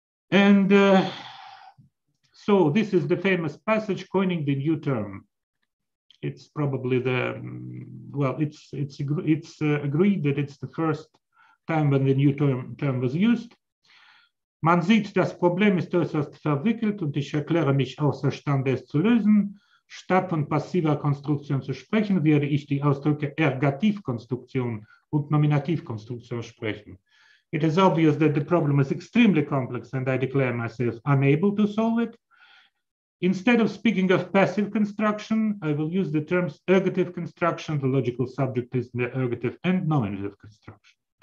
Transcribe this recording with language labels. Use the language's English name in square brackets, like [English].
[English] And so this is the famous passage coining the new term. It's probably agreed that it's the first time when the new term was used. [German] Man sieht, das Problem ist äußerst verwickelt und ich erkläre mich außerstande, es zu lösen. Statt von passiver Konstruktion zu sprechen, werde ich die Ausdrücke Ergativkonstruktion und Nominativkonstruktion sprechen. [English] It is obvious that the problem is extremely complex and I declare myself unable to solve it. Instead of speaking of passive construction, I will use the terms ergative construction, the logical subject is the ergative, and nominative construction.